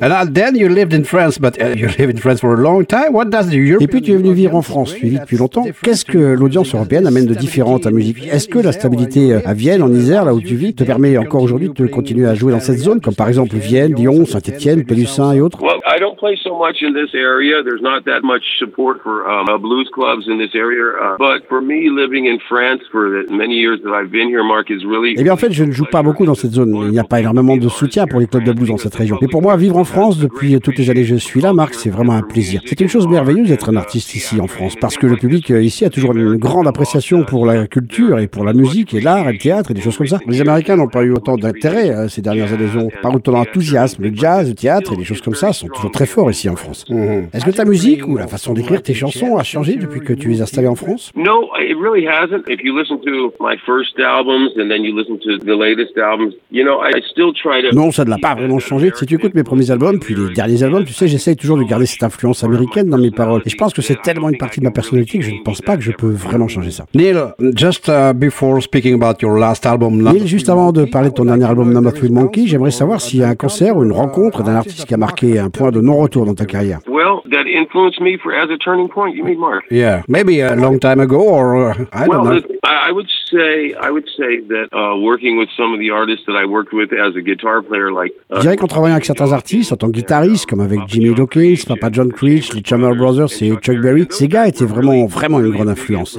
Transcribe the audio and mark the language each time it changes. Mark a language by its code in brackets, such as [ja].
[en] And then you lived in France, but you lived in France for a long time. What does the [fr] European... Et puis tu es venu vivre en France, tu vis depuis longtemps. Qu'est-ce que l'audience européenne amène de différent à ta musique? Est-ce que la stabilité à Vienne, en Isère, là où tu vis, te permet encore aujourd'hui de continuer à jouer dans cette zone, comme par exemple Vienne, Lyon, Saint-Etienne, Pélussin et autres? [en] Well, I don't play so much in this area. There's not that much support for blues clubs in this area. But for me, living in France for the many years that I've been here, Mark, is really... [fr] Eh bien, en fait, je ne joue pas beaucoup dans cette zone. Il n'y a pas énormément de soutien pour les clubs de blues dans cette région. Mais pour moi, vivre en France depuis toutes les allez, je suis là, Marc, c'est vraiment un plaisir. C'est une chose merveilleuse d'être un artiste ici en France, parce que le public ici a toujours une grande appréciation pour la culture et pour la musique et l'art et le théâtre et des choses comme ça. Les Américains n'ont pas eu autant d'intérêt ces dernières années, ont pas autant d'enthousiasme. Le jazz, le théâtre et des choses comme ça sont toujours très forts ici en France. Mmh. Est-ce que ta musique ou la façon d'écrire tes chansons a changé depuis que tu es installé en France? [en] No, it really hasn't. If you listen to my first albums and then you listen to the latest albums, you know, I still try to. [fr] Non, ça ne l'a pas vraiment changé. Si tu écoutes mes premiers albums puis les derniers albums, tu sais, j'essaye toujours de garder cette influence américaine dans mes paroles. Et je pense que c'est tellement une partie de ma personnalité que je ne pense pas que je peux vraiment changer ça. [en] Neil, just before speaking about your last album, [fr] Neil, juste avant de parler de ton dernier album Number Three Monkey, j'aimerais savoir s'il y a un concert ou une rencontre d'un artiste qui a marqué un point de non-retour dans ta carrière. [en] Well, that influenced me for as a turning point. You mean Mark? Yeah, maybe a long time ago or I don't know. I would say that working with some of the artists that I worked with as a guitar player, like. [fr] Je dirais qu'en travaillant avec certains artistes, en tant que guitariste, comme avec Jimmy Dawkins, Papa John Creech, les Chummer Brothers et Chuck Berry, ces gars étaient vraiment, vraiment une grande influence.